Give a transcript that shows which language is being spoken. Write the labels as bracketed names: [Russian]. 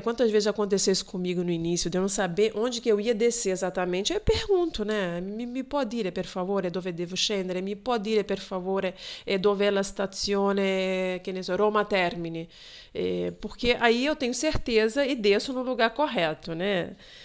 [Portuguese] Quantas vezes aconteceu isso comigo no início, de eu não saber onde que eu ia descer exatamente? Eu pergunto, né? [Italian] Mi può dire per favore dove devo scendere? Mi può dire per favore dove è la stazione, che ne so, Roma Termini? [Portuguese] Porque aí eu tenho certeza e desço no lugar correto, né?